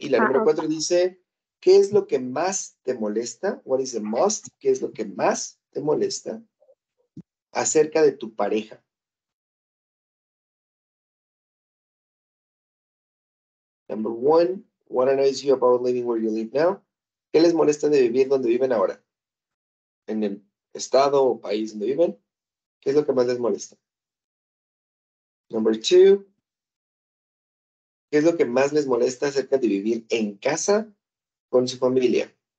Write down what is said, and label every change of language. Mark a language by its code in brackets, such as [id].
[es] Y la número 4 dice, ¿qué es lo que más te molesta? [en] What is the most? [es] ¿Qué es lo que más te molesta acerca de tu pareja? [en] Number 1, what annoys you about living where you live now? [es] ¿Qué les molesta de vivir donde viven ahora? En el estado o país donde viven, ¿qué es lo que más les molesta? Number 2, ¿qué es lo que más les molesta acerca de vivir en casa con su familia?